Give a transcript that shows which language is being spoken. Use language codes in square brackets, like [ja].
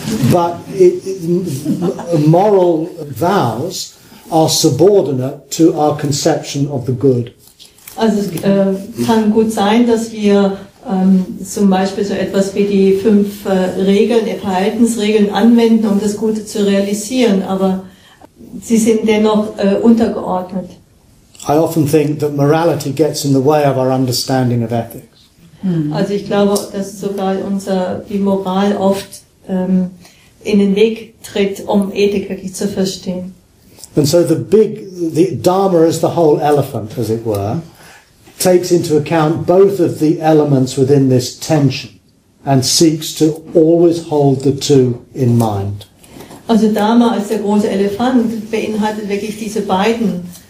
[en] But moral vows are subordinate to our conception of the good. [de] Also es kann gut sein, dass wir zum Beispiel so etwas wie die 5 Regeln, die Verhaltensregeln anwenden, um das Gute zu realisieren, aber sie sind dennoch untergeordnet. [en] I often think that morality gets in the way of our understanding of ethics. [de] Also ich glaube, dass sogar die Moral oft in den Weg tritt, um Ethik wirklich zu verstehen. [en] And so the Dharma is the whole elephant, as it were. Takes into account both of the elements within this tension and seeks to always hold the two in mind. [de] Also Dharma als der große Elefant beinhaltet wirklich diese beiden